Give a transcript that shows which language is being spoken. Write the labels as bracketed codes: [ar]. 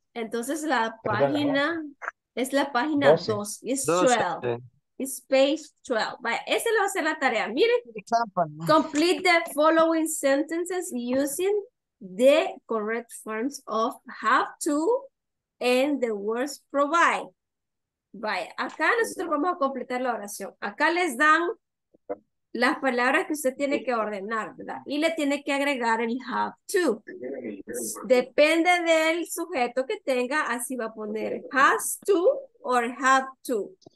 [es] Entonces la página es la página 2, es 12, es page 12. Vaya, esa le va a ser la tarea. Miren, [en] complete the following sentences using the correct forms of have to and the words provide. [es] Vaya, acá nosotros vamos a completar la oración. Acá les dan las palabras que usted tiene que ordenar, ¿verdad? Y le tiene que agregar el have to. Depende del sujeto que tenga, así va a poner has to or have to.